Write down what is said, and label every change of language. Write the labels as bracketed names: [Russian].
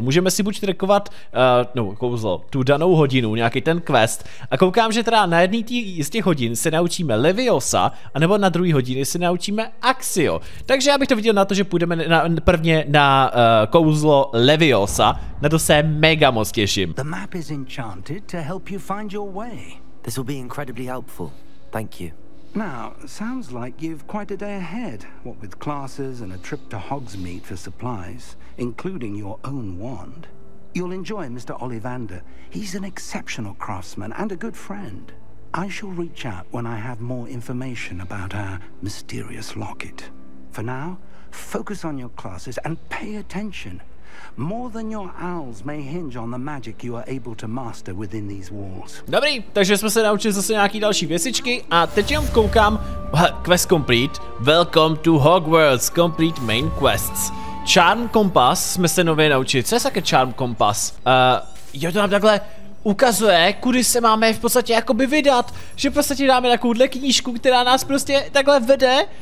[Czech] Můžeme si buď trackovat tu danou hodinu, nějaký ten quest. A koukám, že teda na jedný z těch hodin se naučíme Leviosa, anebo na druhý hodiny se naučíme Axio. Takže já bych to viděl na to, že půjdeme prvně na kouzlo Leviosa. Na to se mega moc těším. [English] The map is enchanted to help you find your way. This will be incredibly helpful. Thank you. Now, sounds like you've quite a day ahead, what with classes and a trip to Hogsmeade for supplies, including your own wand. You'll enjoy Mr. Ollivander. He's an exceptional craftsman and a good friend. I shall reach out when I have more information about our mysterious locket. For now, focus on your classes and pay attention. More than your owls may hinge on the magic you are able to master within these walls. [Czech] Dobrý, takže jsme se naučili zase nějaký další věcičky a teď jenom koukám, [English] quest complete, welcome to Hogwarts, complete main quests. [Czech] Charm kompas jsme se nově naučili, co je také charm kompas? Jo, to nám takhle ukazuje, kudy se máme v podstatě jakoby vydat, že v podstatě dáme takovouhle knížku, která nás prostě takhle vede.